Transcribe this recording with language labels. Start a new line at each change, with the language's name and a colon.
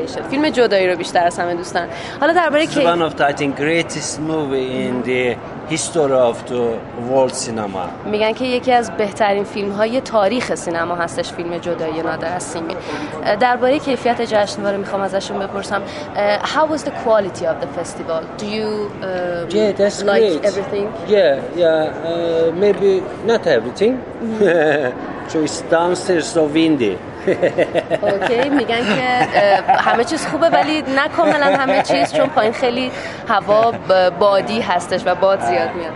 Persian: فیلم جدایی رو بیشتر از همه دوست دارن. حالا درباره که
English: one of the, I think, greatest movie in the history of the world cinema.
Persian: میگن که یکی از بهترین فیلم‌های تاریخ سینما هستش فیلم جدایی نادر از سیمی. درباره کیفیت جشنواره میخوام ازشون بپرسم.
English: How was the quality of the festival? Do you like everything? Yeah, maybe not everything. So it's downstairs so windy.
Persian: اوکی میگن که همه چیز خوبه ولی نه کاملا همه چیز چون پایین خیلی هوا بادی هستش و باد زیاد میاد.